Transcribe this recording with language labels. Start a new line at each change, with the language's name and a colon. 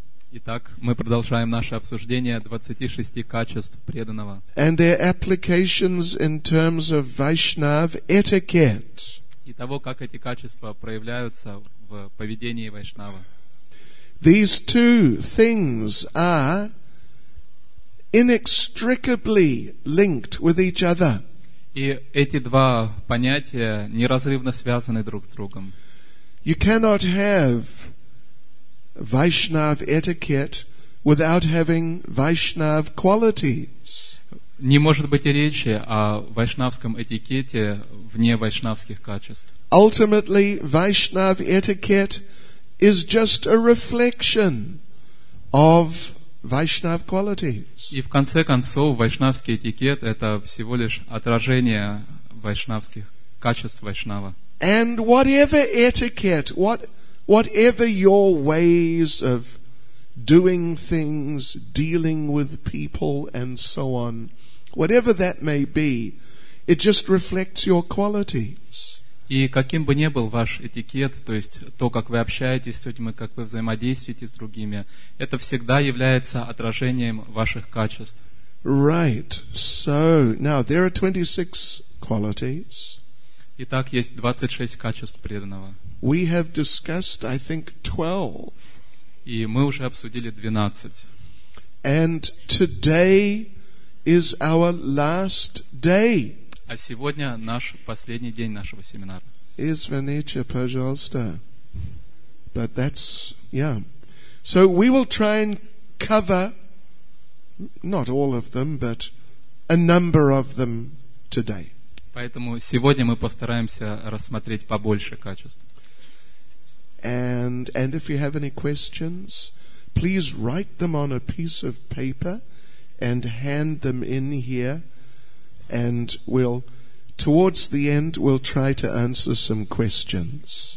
Russian: Итак, мы продолжаем наше обсуждение 26 качеств преданного.
English: And their applications in terms of Vaishnav etiquette.
Russian: И того, как эти качества проявляются в поведении Вайшнава.
English: These two things are inextricably linked with each other.
Russian: И эти два понятия неразрывно связаны друг с другом.
English: You cannot have Vaishnav etiquette without having Vaishnav qualities.
Russian: Не может быть речи о вайшнавском этикете вне вайшнавских качеств.
English: Ultimately, Vaishnav etiquette is just a reflection of Vaishnav qualities.
Russian: И в конце концов, вайшнавский этикет — это всего лишь отражение вайшнавских качеств вайшнава.
English: And whatever etiquette, whatever your ways of doing things, dealing with people, and so on, whatever that may be, it just reflects your qualities.
Russian: И каким бы ни был ваш этикет, то есть то, как вы общаетесь с людьми, как вы взаимодействуете с другими, это всегда является отражением ваших качеств.
English: Right. So, now, there are 26 qualities.
Russian: Итак, есть 26 качеств преданного.
English: We have discussed, I think, 12.
Russian: И мы уже обсудили 12.
English: And today is our last day.
Russian: А сегодня наш последний день нашего семинара.
English: Is Venetia, пожалуйста. But that's, yeah. So we will try and cover, not all of them, but a number of them today.
Russian: Поэтому сегодня мы постараемся рассмотреть побольше качеств.
English: And if you have any questions, please write them on a piece of paper and hand them in here. And we'll, towards the end, we'll try to answer some questions.